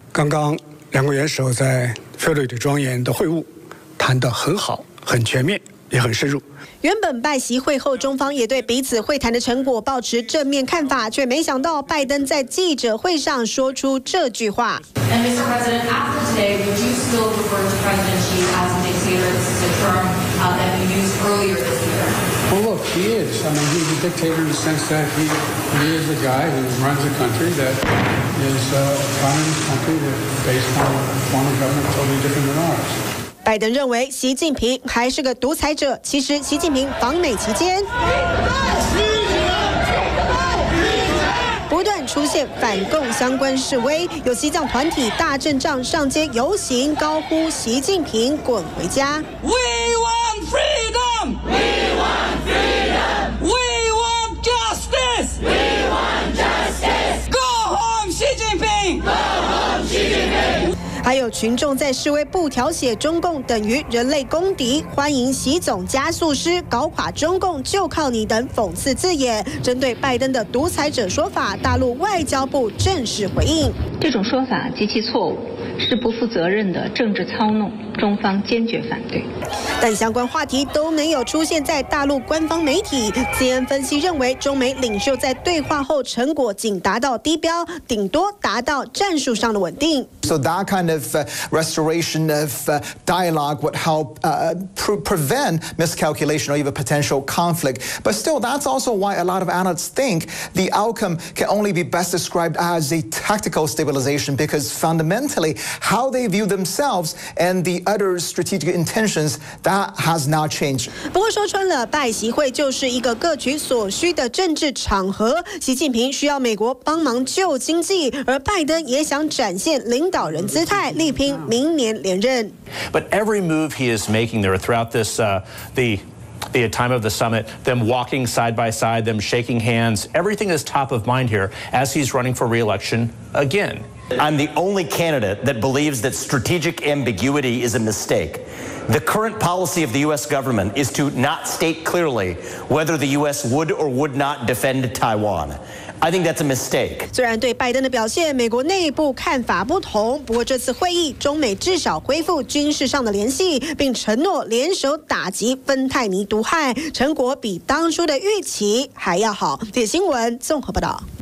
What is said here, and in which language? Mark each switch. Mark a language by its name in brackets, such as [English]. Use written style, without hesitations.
[Chinese] 刚刚两国元首在菲律宾庄严的会晤，谈得很好，很全面。也很深入。原本拜习会后，中方也对彼此会谈的成果抱持正面看法，却没想到拜登在记者会上说出这句话。 [English] And Mr. President, after today, would you still refer to President Xi as a dictator? This is a term that you used earlier this year. Well, look, he is. I mean, he's a dictator in the sense that he is a guy who runs a country that is a communist country that is based on a form of government totally different than ours. [Chinese] 拜登认为习近平还是个独裁者。其实习近平访美期间不断出现反共相关示威，有西藏团体大阵仗上街游行，高呼习近平滚回家。 [English] We want freedom! We want freedom! We want justice! We want justice! Go home, 习近平！ Go home, 习近平！ [Chinese] 还有群众在示威布条写中共等于人类公敌，欢迎习总加速师，搞垮中共就靠你等讽刺字眼。针对拜登的独裁者说法，大陆外交部正式回应，这种说法极其错误，是不负责任的政治操弄，中方坚决反对。但相关话题都没有出现在大陆官方媒体。 CNN 分析认为，中美领袖在对话后成果仅达到低标，顶多达到战术上的稳定。 [English] So that kind of restoration of dialogue would help prevent miscalculation or even potential conflict. But still, that's also why a lot of analysts think the outcome can only be best described as a tactical stabilization, because fundamentally how they view themselves and the other strategic intentionsThat has not changed. [Chinese] 不过说穿了，拜习会就是一个各取所需的政治场合。习近平需要美国帮忙救经济，而拜登也想展现领导人姿态，力拼明年连任。 [English] But every move he is making there throughout this, the the time of the summit, them walking side by side, them shaking hands. Everything is top of mind here as he's running for re-election again. I'm the only candidate that believes that strategic ambiguity is a mistake. The current policy of the U.S. government is to not state clearly whether the U.S. would or would not defend Taiwan. I think that's a mistake. [Chinese] 虽然对拜登的表现，美国内部看法不同，不过这次会议，中美至少恢复军事上的联系，并承诺联手打击芬太尼毒害，成果比当初的预期还要好。这新闻综合报道。